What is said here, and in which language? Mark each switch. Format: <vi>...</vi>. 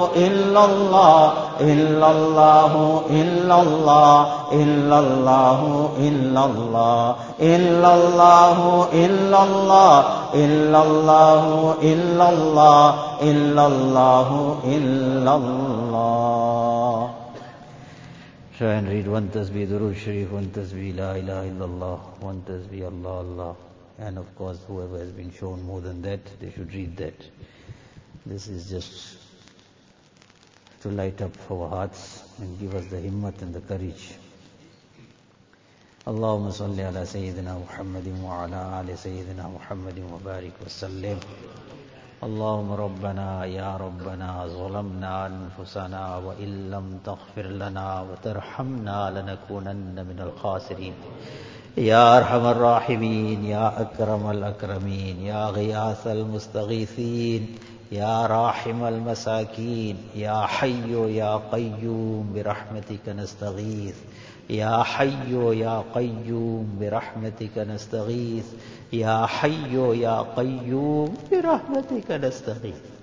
<ar>الا اللہ الا اللہ الا اللہ الا اللہ الا اللہ الا اللہ الا اللہ الا اللہ الا اللہ الا اللہ الا اللہ</ar> <en>try and read one tasbih durood sharif one tasbih</en> <ar>la ilaha illallah</ar> <en>one tasbih allah allah and of course whoever has been shown more than that they should read that This is just to light up our hearts and give us the himmat and the courage.</en> <ar>Allahumma salli ala Sayyidina Muhammadin wa ala ala Sayyidina Muhammadin wa barik wa sallim. Allahumma rabbana ya rabbana zolamna anfusana wa illam taghfir lana wa tarhamna lanakunanna minal khasirin. يا ارحم الراحمين يا اكرم الاكرمين يا غياث المستغيثين يا راحم المساكين يا حي يا قيوم برحمتك نستغيث یا حیو یا قیوم برحمتک نستغیث، یا حیو یا قیوم برحمتک نستغیث.</ar>